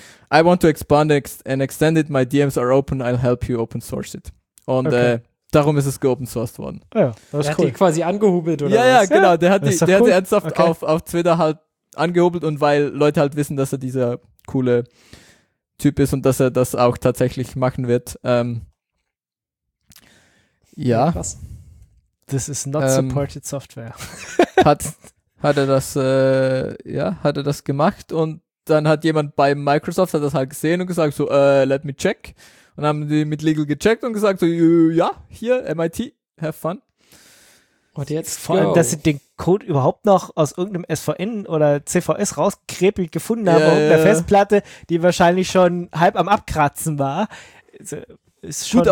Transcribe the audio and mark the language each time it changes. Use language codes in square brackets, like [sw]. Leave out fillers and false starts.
[en] I want to expand and extend it, my DMs are open, I'll help you open source it. [de] Und darum ist es geopen-sourced worden. Oh ja, das ist cool. Hat die quasi angehobelt oder ja, was? Ja, genau. Der hat ernsthaft auf Twitter halt angehobelt und weil Leute halt wissen, dass er dieser coole Typ ist und dass er das auch tatsächlich machen wird. Ja. Krass. [en] This is not supported software. [de] hat er das gemacht und dann hat jemand bei Microsoft hat das halt gesehen und gesagt so, [en] let me check. [de] Und haben die mit Legal gecheckt und gesagt so, ja, hier, MIT, [en] have fun. [de] Und jetzt vor allem, dass sie den Code überhaupt noch aus irgendeinem SVN oder CVS rausgekrebelt gefunden haben, auf der Festplatte, die wahrscheinlich schon halb am Abkratzen war, ist schon